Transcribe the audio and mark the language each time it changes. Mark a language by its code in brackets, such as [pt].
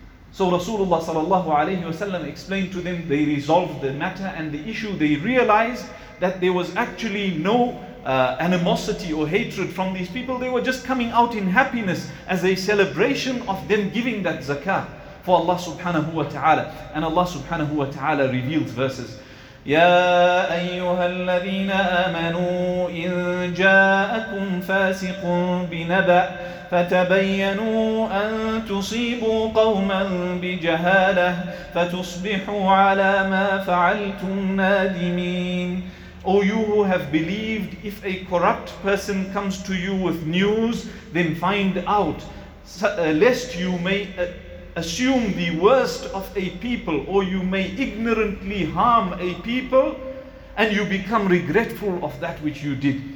[en] So Rasulullah sallallahu alayhi wa sallam explained to them. They resolved the matter and the issue. They realized that there was actually no animosity or hatred from these people. They were just coming out in happiness as a celebration of them giving that zakah for Allah subhanahu wa ta'ala. And Allah subhanahu wa ta'ala reveals verses. [ar] يا أيها الذين آمنوا إن جاءكم فاسق بنبأ فتبينوا أن تصيبوا قوما بجهالة فتصبحوا على ما فعلتم نادمين. [en] O you who have believed, if a corrupt person comes to you with news, then find out, lest you may assume the worst of a people, or you may ignorantly harm a people and you become regretful of that which you did.